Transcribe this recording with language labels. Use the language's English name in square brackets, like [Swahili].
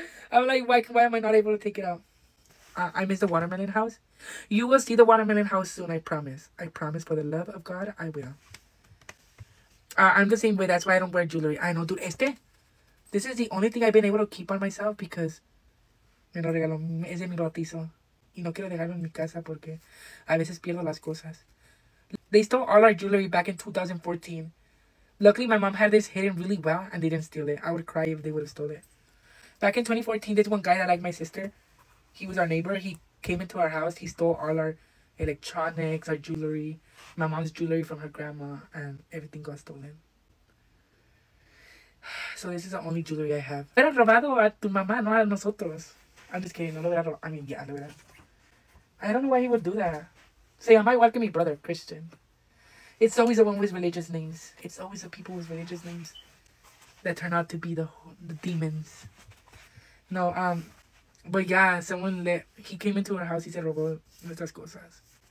[English] I'm like, why am I not able to take it out? I miss the watermelon house. You will see the watermelon house soon, I promise. I promise, for the love of God, I will. I'm the same way. That's why I don't wear jewelry. I know, dude. This is the only thing I've been able to keep on myself because [Spanish] me lo regaló. Es de mi bautizo. Y no quiero dejarlo en mi casa porque a veces pierdo las cosas. [English] They stole all our jewelry back in 2014. Luckily, my mom had this hidden really well, and they didn't steal it. I would cry if they would have stole it. Back in 2014, this one guy that liked my sister, he was our neighbor. He came into our house. He stole all our electronics, our jewelry, my mom's jewelry from her grandma, and everything got stolen. So this is the only jewelry I have. [Spanish] Pero robado a tu mamá, no a nosotros. [English] I'm just kidding. [Spanish] No lo hubiera robado. [English] I mean, yeah, [Spanish] lo hubiera. [English] I don't know why he would do that. Say, I might welcome your brother, Christian. It's always the one with religious names. It's always the people with religious names that turn out to be the demons. No, but yeah, someone let, he came into our house, he said, [Spanish] robó nuestras cosas.